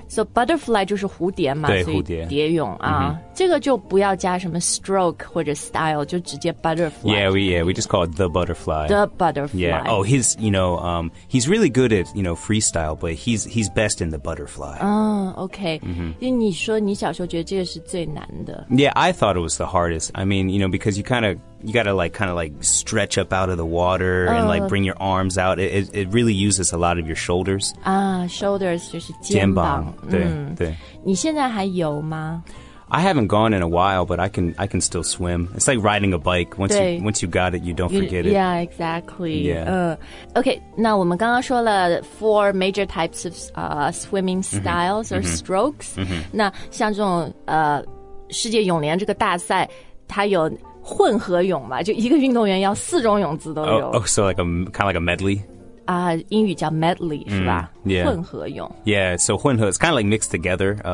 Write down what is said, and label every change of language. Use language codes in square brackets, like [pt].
[zh] so butterfly 就是蝴蝶嘛对蝴蝶蝶泳啊、mm-hmm. 这个就不要加什么 stroke 或者 style 就直接 butterfly [en] yeah we just call it the butterfly the butterfly yeah oh he's you know he's really good at you know freestyle but he's best in the butterfly OK、mm-hmm. [zh] 因为你说你小时候觉得这个是最难的 [en] yeah I thought it was the hardest I mean you know because you kind ofYou gotta like kind of like stretch up out of the water and like bring your arms out. It really uses a lot of your shoulders. [zh] Ah, shoulders 就是肩膀。对对。你现在还游吗？ [en] I haven't gone in a while, but I can still swim. It's like riding a bike. Once you got it, you don't forget it. Yeah, exactly. Yeah. [zh] Okay, 那我们刚刚说了 [en] four major types of swimming styles or strokes. [zh] 那像这种世界泳联这个大赛，它有。混合泳嘛，就一个运动员要四种泳姿都有。 [en] So like a kind of like a medley. [zh] 啊，英语叫 medley 是吧？ [en] Yeah. [zh] 混合泳。 [en] Yeah, so 混合 it's kind of like mixed together.